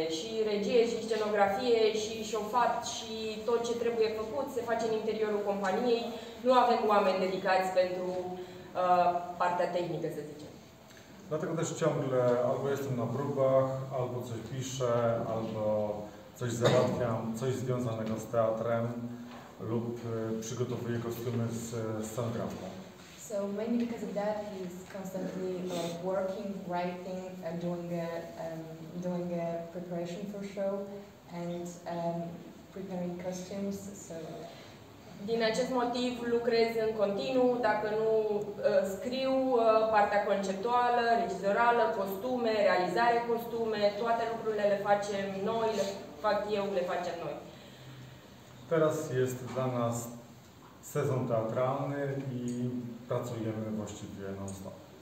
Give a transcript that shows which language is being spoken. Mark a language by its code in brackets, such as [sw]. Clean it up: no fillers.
[ro] Și regie, și scenografie, și șofat, și tot ce trebuie făcut se face în interiorul companiei. Nu avem oameni dedicați pentru partea tehnică, să zicem. [pl] Dlatego też ciągle albo jestem na próbach, albo coś piszę, albo coś załatwiam, coś związanego z teatrem, lub przygotowuję kostiumy z scenografką. [en] So mainly because of that he's constantly working, writing and doing a preparation for show and preparing costumes. So [ro] din acest motiv lucrez în continuu, dacă nu scriu partea conceptuală, regizorală, costume, realizare costume, toate lucrurile le facem noi, le fac eu, le facem noi. [pl] Teraz este dla nas sezon teatralny i pracujemy właściwie non-stop.